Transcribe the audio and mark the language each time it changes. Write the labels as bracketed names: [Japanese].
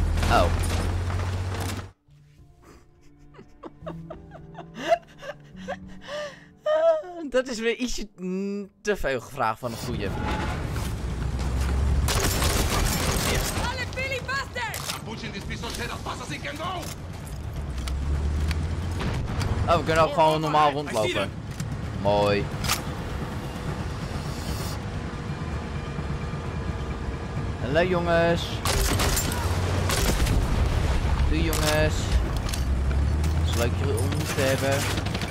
[Dutch] Oh. Dat is weer ietsje te veel gevraagd van een goede. Alle Billy Busters! [English] I'm pushing this piece of shit as fast as it can go! [Dutch] Oh, we kunnen ook gewoon normaal rondlopen. Mooi. Hallo jongens. Doei jongens. Het is leuk jullie ontmoet te hebben.